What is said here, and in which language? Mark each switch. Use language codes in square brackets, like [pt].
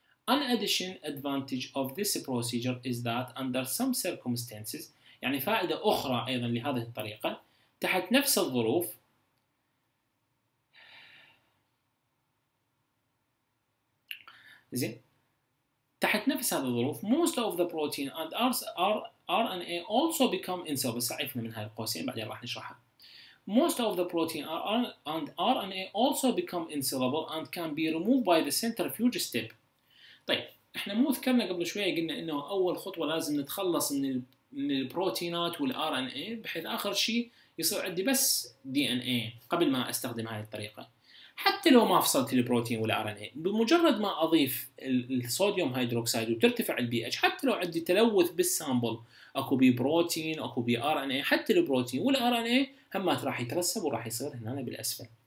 [en] An addition advantage of this procedure is that under some circumstances، [ar] يعني فائدة أخرى أيضا لهذه الطريقة، تحت نفس الظروف زين تحت نفس هذه الظروف [en] most of the protein and RNA also become insoluble، [ar] سعفنا من هذه القوسين بعدين راح نشرحها. [en] Most of the protein and RNA also become insoluble and can be removed by the centrifuge step. [ar] طيب احنا مو ذكرنا قبل شويه قلنا انه اول خطوه لازم نتخلص من البروتينات والار ان اي بحيث اخر شيء يصير عندي بس دي ان اي قبل ما استخدم هذه الطريقه. حتى لو ما فصلت البروتين والار ان اي، بمجرد ما اضيف الصوديوم هيدروكسيد وترتفع البي اتش، حتى لو عندي تلوث بالسامبل اكو بي بروتين اكو بي ار ان اي، حتى البروتين والار ان اي همات راح يترسب وراح يصير هنا بالاسفل.